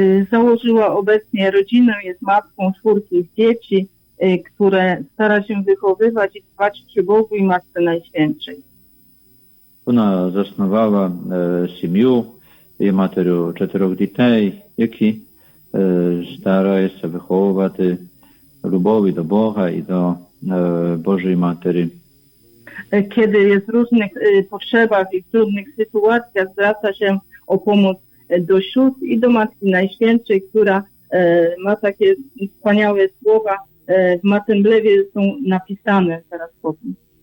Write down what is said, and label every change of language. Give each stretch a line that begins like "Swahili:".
Polish: Założyła obecnie rodzinę, jest matką czwórki dzieci, które stara się wychowywać i trwać przy Bogu i Matce Najświętszej.
Ukrainian: Вона заснувала сім'ю і матерю чотирьох дітей, які старає się виховувати любові до Бога і до Божої Матері.
Polish: Kiedy jest w różnych potrzebach i w trudnych sytuacjach, zwraca się o pomoc do sióstr i do Matki Najświętszej, która ma takie wspaniałe słowa, w Masemblewie są napisane zaraz po tym.